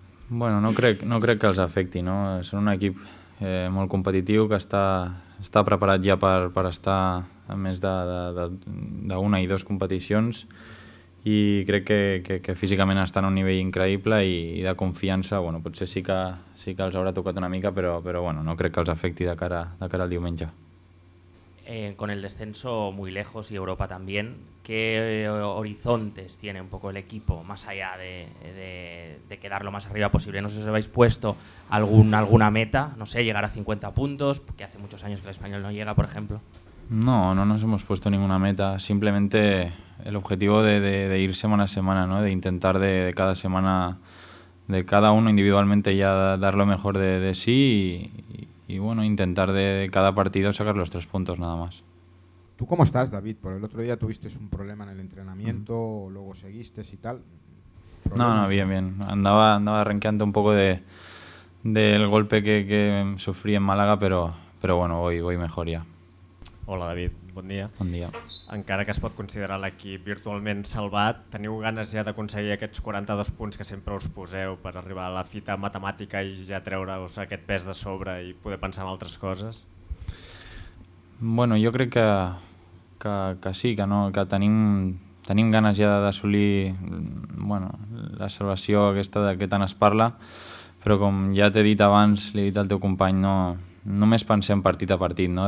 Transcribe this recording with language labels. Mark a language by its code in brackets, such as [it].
[ca] Bueno, no crec que els afecti, no? Són un equip molt competitiu que està preparat ja per estar a més d'una i dues competicions i crec que físicament estan a un nivell increïble i de confiança, bueno, potser sí que els haurà tocat una mica, però bueno, no crec que els afecti de cara al diumenge. [es] Con el descenso muy lejos y Europa también, ¿qué horizontes tiene un poco el equipo más allá de quedar lo más arriba posible? No sé si os habéis puesto alguna meta, no sé, llegar a 50 puntos, que hace muchos años que el Español no llega, por ejemplo. No nos hemos puesto ninguna meta, simplemente el objetivo de ir semana a semana, ¿no? De intentar de cada semana, de cada uno individualmente ya dar lo mejor de sí y bueno, intentar de cada partido sacar los tres puntos nada más. ¿Tú cómo estás, David? Por el otro día tuviste un problema en el entrenamiento, luego seguiste y tal. No, bien. Andaba renqueando un poco del golpe que sufrí en Málaga, pero bueno, voy mejor ya. [ca] Hola, David. Bon dia. Bon dia. Encara que es pot considerar l'equip virtualment salvat, teniu ganes ja d'aconseguir aquests 42 punts que sempre us poseu per arribar a la fita matemàtica i ja treure-us aquest pes de sobre i poder pensar en altres coses? Bueno, jo crec que sí, que no, que tenim ganes ja d'assolir, bueno, la salvació aquesta de què tant es parla, però com ja t'he dit abans, li he dit al teu company, no, només pensem partit a partit, no?